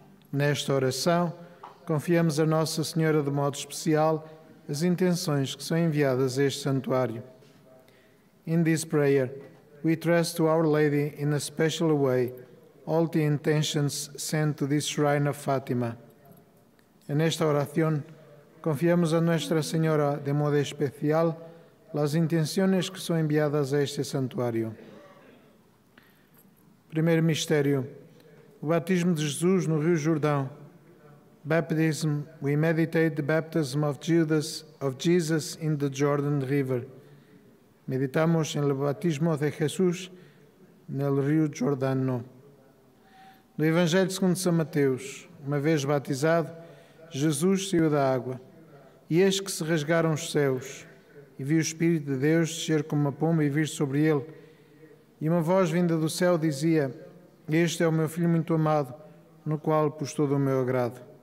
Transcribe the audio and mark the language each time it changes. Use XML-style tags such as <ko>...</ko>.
<pt>Nesta oração, confiamos a Nossa Senhora de modo especial as intenções que são enviadas a este santuário.</pt> <en>In this prayer, we trust to Our Lady in a special way all the intentions sent to this shrine of Fátima.</en> <pt>Nesta oração, confiamos a Nossa Senhora de modo especial as intenções que são enviadas a este santuário. Primeiro mistério. O batismo de Jesus no Rio Jordão.</pt> <en>Baptism, we meditate the baptism of Jesus in the Jordan River.</en> <es>Meditamos en el batismo de Jesús en el Rio Jordano.</es> <pt>No Evangelho segundo São Mateus, uma vez batizado, Jesus saiu da água. E eis que se rasgaram os céus, e viu o Espírito de Deus descer como uma pomba e vir sobre ele. E uma voz vinda do céu dizia: Este é o meu Filho muito amado, no qual pus todo o meu agrado.</pt>